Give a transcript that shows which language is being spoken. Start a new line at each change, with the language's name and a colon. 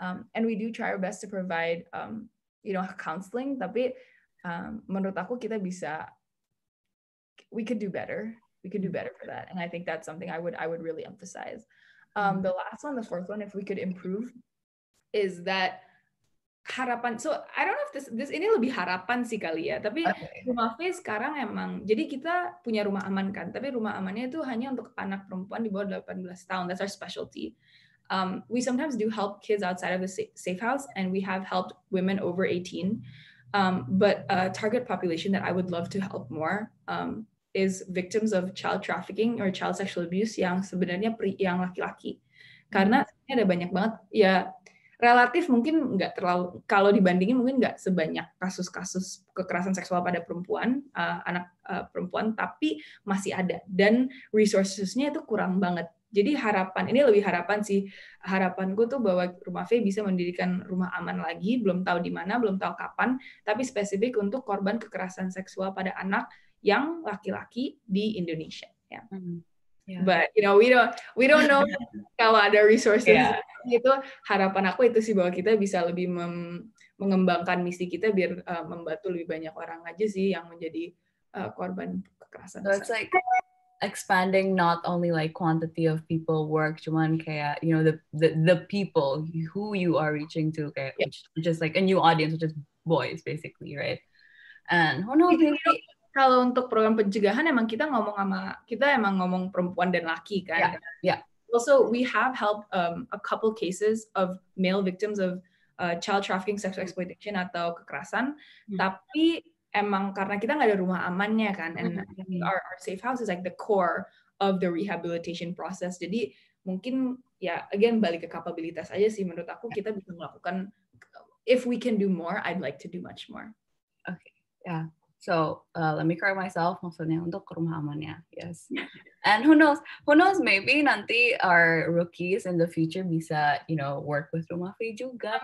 English: And we do try our best to provide you know, counseling,
Indonesian: tapi menurut aku kita bisa,
English: we could do better for that, and I think that's something I would really emphasize. The last one, the fourth one, if we could improve, is that harapan. So I don't know if this
Indonesian: ini lebih harapan sih kali ya, tapi okay. Rumah Faye sekarang emang, jadi kita punya rumah aman kan, tapi rumah amannya itu hanya untuk anak perempuan di bawah 18 tahun.
English: That's our specialty. We sometimes do help kids outside of the safe house, and we have helped women over 18. But a target population that I would love to help more is victims of child trafficking or child sexual abuse
Indonesian: yang sebenarnya yang laki-laki. Karena ada banyak banget, ya relatif mungkin nggak terlalu, kalau dibandingin mungkin nggak sebanyak kasus-kasus kekerasan seksual pada perempuan, anak perempuan, tapi masih ada. Dan resourcesnya itu kurang banget. Jadi harapan, ini lebih harapan sih, harapanku tuh bahwa Rumah Faye bisa mendirikan rumah aman lagi, belum tahu di mana, belum tahu kapan, tapi spesifik untuk korban kekerasan seksual pada anak yang laki-laki di Indonesia.
English: Yeah. Yeah. But you know, we don't know
Indonesian: kalau ada
English: resources. Yeah.
Indonesian: Itu harapan aku itu sih, bahwa kita bisa lebih mengembangkan misi kita biar membantu lebih banyak orang aja sih yang menjadi korban kekerasan.
English: So it's like expanding not only like quantity of people work,
Indonesian: cuman kayak,
English: you know, the people who you are reaching to, kayak, yeah, which is like a new audience, which is boys basically, right? And oh no,
Indonesian: kalau untuk program pencegahan emang kita ngomong perempuan dan laki kan.
English: Yeah. Yeah. Also, we have helped a couple cases of male victims of child trafficking, sexual exploitation,
Indonesian: atau kekerasan.
English: Mm-hmm.
Indonesian: Tapi emang karena kita nggak ada rumah amannya kan,
English: and our safe house is like the core of the rehabilitation process.
Indonesian: Jadi mungkin ya, again, balik ke kapabilitas aja sih. Menurut aku kita bisa melakukan,
English: if we can do more, I'd like to do much more. Okay. Yeah. So let me correct myself,
Indonesian: maksudnya untuk rumah amannya,
English: yes. And who knows, maybe nanti our rookies in the future bisa, you know, work with Rumah Faye juga.